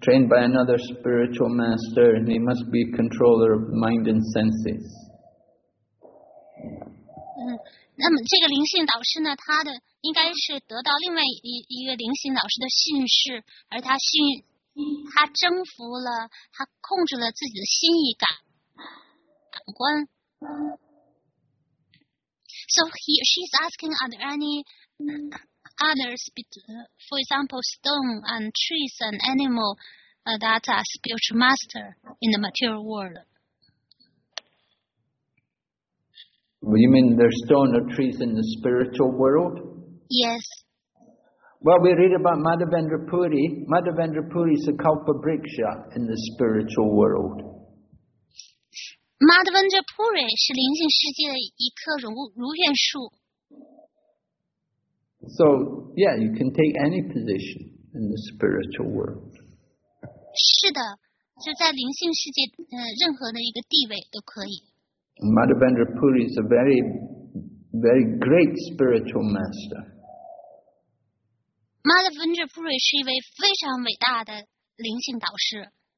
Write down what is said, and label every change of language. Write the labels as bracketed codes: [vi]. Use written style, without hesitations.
[en] trained by another spiritual master, and he must be a controller of mind and senses. [zh] 嗯，那么这个灵性导师呢，他的应该是得到另外一个灵性导师的训示，而他训，他征服了，他控制了自己的心意感官。 [en] So she's asking, are there any others, for example, stone and trees and animal, that are spiritual master in the material world? Well, you mean there's stone or trees in the spiritual world? Yes. Well, we read about Madhavendra Puri. Madhavendra Puri is a Kalpa Briksha in the spiritual world. [zh] Madhavendra Puri 是灵性世界的一棵如愿树。 [en] So, yeah, you can take any position in the spiritual world. [zh] 是的，就在灵性世界，任何的一个地位都可以。 [en] Madhavendra Puri is a very, very great spiritual master. [zh] Madhavendra Puri 是一位非常伟大的灵性导师。